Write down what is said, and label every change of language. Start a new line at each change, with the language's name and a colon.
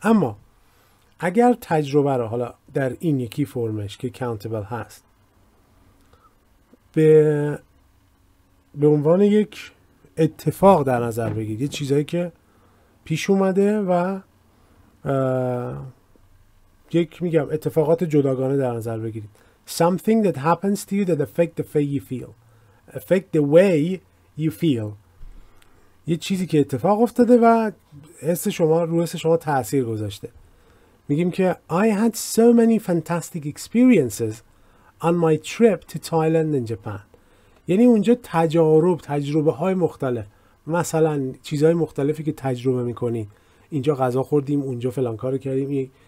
Persian: اما اگر تجربه رو حالا در این یکی فرمش که countable هست به عنوان یک اتفاق در نظر بگیرید، یه چیزایی که پیش اومده و یک میگم اتفاقات جداگانه در نظر بگیرید.
English: Something that happens to you that affect the way you feel. Affect the way you feel.
Persian: یه چیزی که اتفاق افتاده و حس شما روی حس شما تأثیر گذاشته.
English: میگیم که I had so many fantastic experiences on my trip to Thailand and Japan.
Persian: یعنی اونجا تجربه های مختلف، مثلا چیزهای مختلفی که تجربه میکنی، اینجا غذا خوردیم، اونجا فلان کار کردیم.